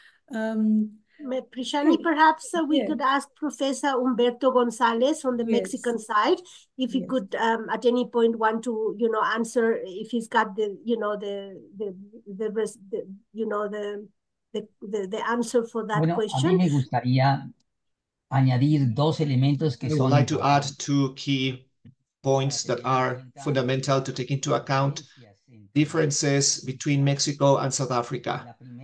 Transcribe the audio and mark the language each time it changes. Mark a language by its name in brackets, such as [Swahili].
[English] Prishani, perhaps we could ask Professor Humberto Gonzalez on the Mexican side if he could at any point want to, you know, answer if he's got the answer for that question. [Spanish] A mí me gustaría añadir dos elementos que son. [English] I would like to add two key points that are fundamental to take into account differences between Mexico and South Africa.